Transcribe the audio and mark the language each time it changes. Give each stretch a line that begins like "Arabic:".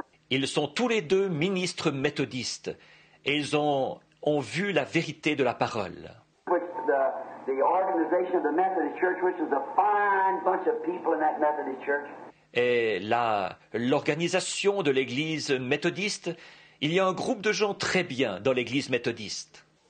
French: Ils sont tous les deux ministres méthodistes, et ils ont vu la vérité de la parole.
English: The organization of the Methodist Church, which is a fine bunch of people in that Methodist Church.
French: est l'organisation de l'église méthodiste. Il y a un groupe de gens très bien dans l'église méthodiste.